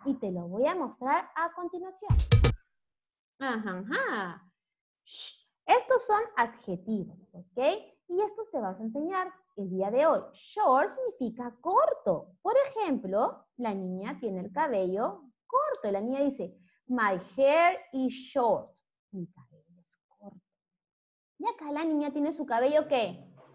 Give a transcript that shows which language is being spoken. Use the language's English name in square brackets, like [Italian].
[Spanish] Y te lo voy a mostrar a continuación. Ajá, ajá. Estos son adjetivos, ¿ok? Y estos te vas a enseñar el día de hoy. Short significa corto. Por ejemplo, la niña tiene el cabello corto. La niña dice, [English] my hair is short. [Spanish] Mi cabello es corto. Y acá la niña tiene su cabello, ¿qué?